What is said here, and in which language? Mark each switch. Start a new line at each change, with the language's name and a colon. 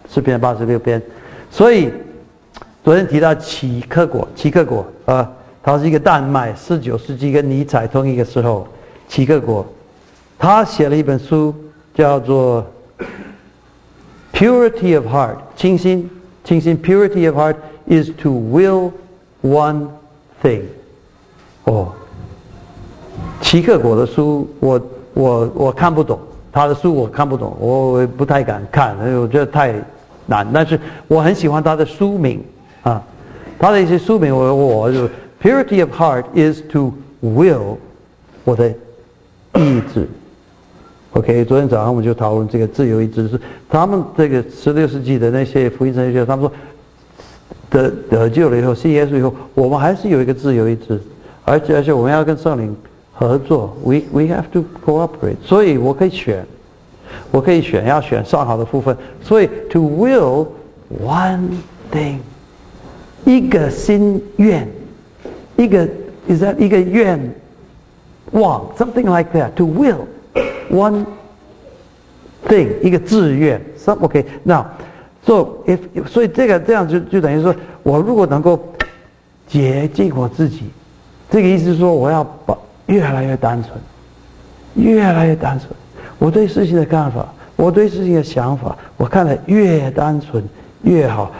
Chinese: 诗篇八十六篇，所以昨天提到奇克果啊，它是一个丹麦，十九世纪跟尼采同一个时候，奇克果，他写了一本书叫做《Purity of Heart》，清心，清心。
English: Purity of heart is to will one。
Chinese: 哦，奇克果的书我看不懂，他的书我看不懂，我不太敢看，我觉得太难。但是我很喜欢他的书名啊，他的一些书名我就
English: Purity of heart is to will，
Chinese: 我的意志。 OK， 昨天早上我们就讨论这个自由意志，是他们这个十六世纪的那些福音神学，他们说。得救了以后，信耶稣以后，我们还是有一个自由意志，而且我们要跟圣灵合作 ，
English: we have to cooperate。
Chinese: 所以我可以选，我可以选，要选上好的部分。所以
English: to will one thing，
Chinese: 一个心愿，一个 is that 一个愿望
English: something like that to will one thing
Chinese: 一个志愿 some okay now。 So if 所以这个这样就等于说，我如果能够洁净我自己，这个意思是说，我要把越来越单纯，越来越单纯，我对事情的看法，我对事情的想法，我看得越单纯越好。